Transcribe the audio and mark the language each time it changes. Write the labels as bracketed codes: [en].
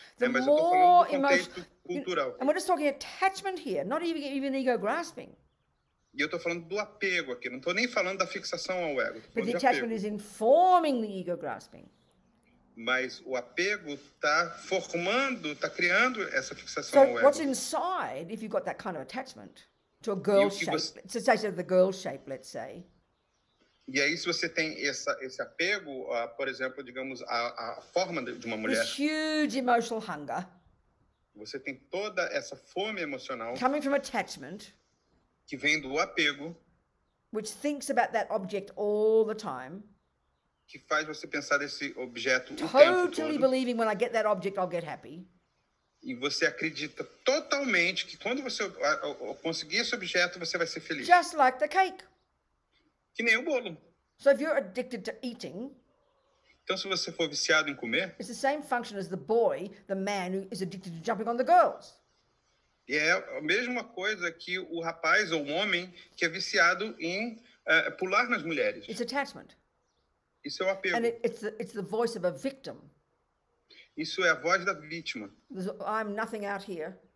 [en] The [pt] mas eu estou falando do contexto cultural. [en] And we're just talking attachment here, not even ego grasping. [pt] E eu estou falando do apego aqui, não estou nem falando da fixação ao ego. [en] But the attachment is informing the ego grasping. [pt] Mas o apego está formando, está criando essa fixação [en] so So what's inside, if you've got that kind of attachment to a girl shape, to say the girl shape, let's say. [pt] E aí, se você tem esse apego, por exemplo, digamos, a forma de uma mulher. [en] This huge emotional hunger. [pt] Você tem toda essa fome emocional. [en] Coming from attachment. [pt] Que vem do apego. [en] Which thinks about that object all the time. [pt] Que faz você pensar desse objeto [en] totally [pt] o tempo todo. [en] Totally believing when I get that object, I'll get happy. [pt] E você acredita totalmente que quando você conseguir esse objeto, você vai ser feliz. [en] Just like the cake. [pt] Que nem o bolo. [en] So if you're addicted to eating, [pt] então se você for viciado em comer, [en] it's the same function as the boy, the man who is addicted to jumping on the girls. [pt] É a mesma coisa que o rapaz ou o homem que é viciado em pular nas mulheres. [en] It's attachment. [pt] Isso é o apego. [en] And it's the voice of a victim. [pt] Isso é a voz da vítima. [en] I'm nothing out here.